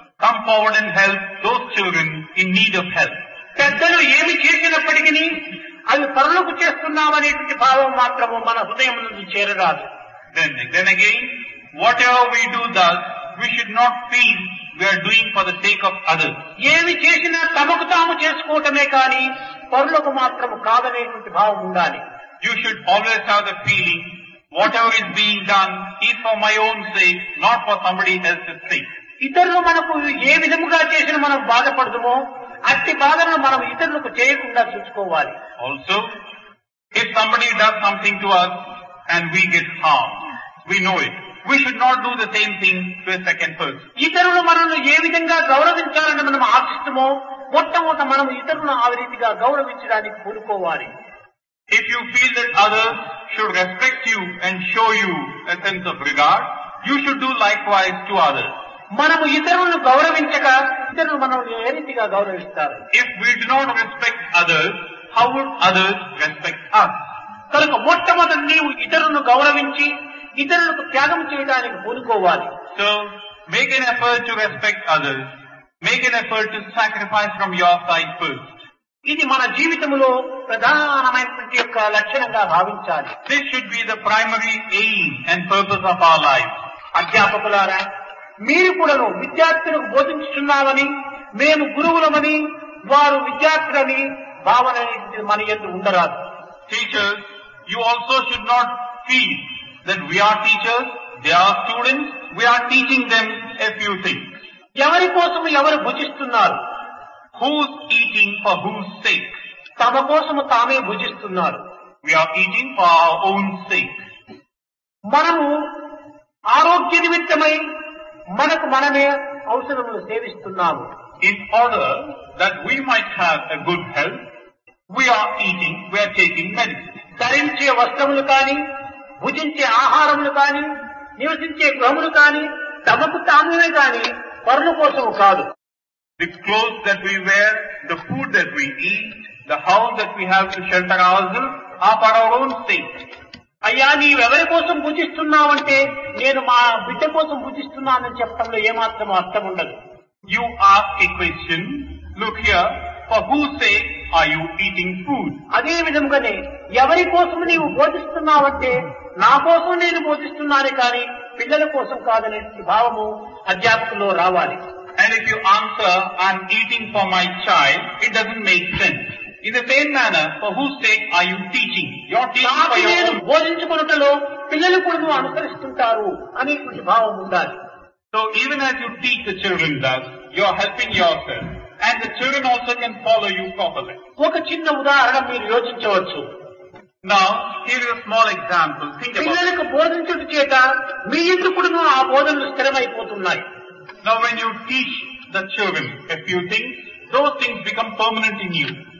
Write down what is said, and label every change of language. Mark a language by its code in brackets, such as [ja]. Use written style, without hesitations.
[en] Come forward and help those children in need of help. [te] పెద్దలు ఏమి చేసినప్పటికీ అవి పనులకు చేస్తున్నామనేటువంటి భావం మాత్రము మన హృదయం నుండి చేరరాదు. [en] Then again, whatever we do thus, we should not feel we are doing for the sake of others. [te] ఏమి చేసినా తమకు తాము చేసుకోవటమే కాని పనులకు మాత్రము కాదనేటువంటి భావం ఉండాలి. [en] You should always have the feeling whatever is being done is for my own sake, not for somebody else's sake. [te] ఇతరులు మనకు ఏ విధముగా చేసిన మనం బాధపడదుమో అట్టి బాధను మనం ఇతరులకు చేయకుండా చూసుకోవాలి. [en] Also, if somebody does something to us and we get harmed, we know it, we should not do the same thing to a second person. [te] ఇతరులు మనల్ని ఏ విధంగా గౌరవించాలని మనం ఆశిస్తుమో మొట్టమొదట మనం ఇతరులను ఆ రీతిగా గౌరవించడానికి కోరుకోవాలి. [en] If you feel that others should respect you and show you a sense of regard, you should do likewise to others. [te] మనము ఇతరులను గౌరవించక ఇతరులు మనల్ని ఏ రీతిగా గౌరవిస్తారు? [en] If we do not respect others, how would others respect us? [te] కనుక మొట్టమొదట నీవు ఇతరులను గౌరవించి ఇతరులకు త్యాగం చేయడానికి కోరుకోవాలి. [en] So make an effort to respect others. Make an effort to sacrifice from your side first. [te] ఇది మన జీవితంలో ప్రధానమైనటువంటి యొక్క లక్షణంగా భావించాలి. [en] This should be the primary aim and purpose of our life. [te] అధ్యాపకులారా, మీరు కూడా విద్యార్థులకు బోధించుతున్నామని, మేము గురువులమని, వారు విద్యార్థులని భావన మన యందు ఉండరాదు. [en] Teachers, you also should not feel that we are teachers, they are students, we are teaching them a few things. [te] ఎవరి కోసం ఎవరు భుజిస్తున్నారు? [en] Who's eating for whose sake? [te] తమ కోసము తామే భుజిస్తున్నారు. [en] We are eating for our own sake. [te] మనము ఆరోగ్య నిమిత్తమై మనకు మనమే ఔషధములు సేవిస్తున్నాము. [en] In order that we might have a good health, we are taking medicine. [te] ధరించే వస్త్రములు కాని, భుజించే ఆహారములు కాని, నివసించే గృహములు కాని తమకు తామే కాని పరుల కోసము కాదు. [en] The clothes that we wear, the food that we eat, the house that we have to shelter ourselves are for our own sake. [te] అయ్యా నీవెవరి కోసం పూజిస్తున్నావంటే నేను మా బిడ్డ కోసం పూజిస్తున్నానని చెప్పడంలో ఏమాత్రం అర్థం ఉండదు. [en] You ask a question, look here, for who say are you eating food. [te] అదే విధముగానే ఎవరి కోసం నీవు పూజిస్తున్నావంటే నా కోసం నేను పూజిస్తున్నానే కాని పిల్లల కోసం కాదనే భావము అధ్యాపకులో రావాలి. [en] And if you answer, I'm eating for my child, it doesn't make sense. In the same manner, for whose sake are you teaching? You're teaching for your own. [te] బోధించుకున్నట్లు పిల్లలు కూడా అనుసరిస్తుంటారు అని భావం ఉండాలి. [en] So even as you teach the children thus, you're helping yourself. And the children also can follow you properly. [te] ఒక చిన్న ఉదాహరణ మీరు యోచించవచ్చు. [en] Now, here is a small example. Think about it. [te] పిల్లలకు బోధించుట చేత మీ ఇంటి కొడుకు ఆ బోధనలు స్థిరమైపోతున్నాయి. [en] Now when you teach the children a few things, those things become permanent in you.